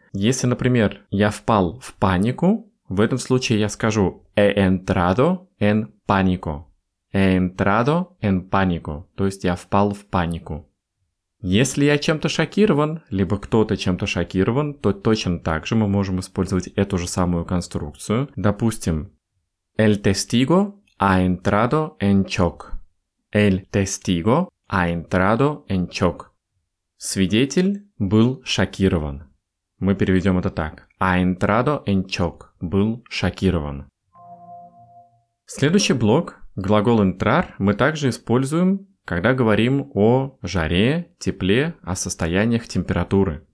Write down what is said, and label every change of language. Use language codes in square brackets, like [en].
[ru] Если, например, я впал в панику, в этом случае я скажу he entrado en pánico. He entrado en pánico, то есть я впал в панику. Если я чем-то шокирован, либо кто-то чем-то шокирован, то точно так же мы можем использовать эту же самую конструкцию. [es] Допустим, El testigo ha entrado en shock. El testigo ha entrado en shock. [ru] Свидетель был шокирован. Мы переведем это так. Ha entrado en shock. Был шокирован. Следующий блок, глагол entrar, мы также используем, когда говорим о жаре, тепле, о состояниях температуры.